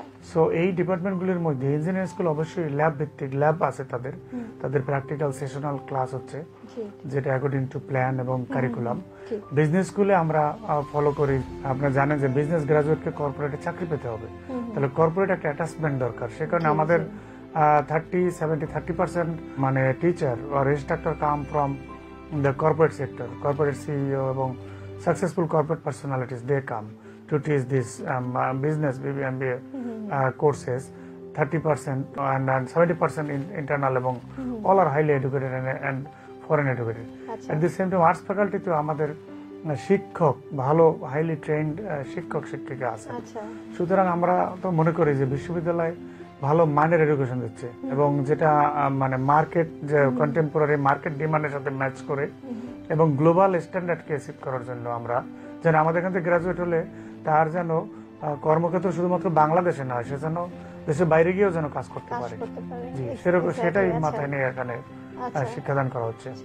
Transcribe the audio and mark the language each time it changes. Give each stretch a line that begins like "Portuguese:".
Bangla: So এই ডিপার্টমেন্টগুলির মধ্যে engineering school অবশ্যই ল্যাব ভিত্তিক, ল্যাব আছে তাদের, তাদের প্র্যাকটিক্যাল সেশনাল ক্লাস হচ্ছে যেটা অ্যাকর্ডিং টু প্ল্যান এবং কারিকুলাম। বিজনেস স্কুলে আমরা ফলো করি, আপনারা জানেন যে বিজনেস গ্রাজুয়েটকে কর্পোরেটে চাকরি পেতে হবে, তাহলে কর্পোরেট একটা অ্যাটাচমেন্ট দরকার। সে কারণে আমাদের 30% মানে
English: Teacher or instructor come from the corporate sector, corporate CEO, among successful corporate personalities, they come to teach this business BBA MBA courses. 30% and 70% internal among all are highly educated and foreign educated. Achha. At the same time, arts faculty
Bangla: to amader শিক্ষক ভালো highly trained শিক্ষক শিক্ষিকা আছে সুতরাং আমরা তো মনে করি যে বিশ্ববিদ্যালয় ভালো মানের এডুকেশন দিচ্ছে এবং যেটা মানে মার্কেট যে কন্টেম্পোরারি মার্কেট ডিমান্ডের সাথে ম্যাচ করে এবং গ্লোবাল স্ট্যান্ডার্ডকে অ্যাচিভ করার জন্য আমরা যেন আমাদের এখান থেকে গ্রাজুয়েট হলে তার যেন কর্মক্ষেত্র শুধুমাত্র বাংলাদেশে না সে যেন দেশের বাইরে গিয়েও যেন কাজ করতে পারে জি সেরকম সেটাই মাথায় নিয়ে এখানে শিক্ষাদান করা হচ্ছে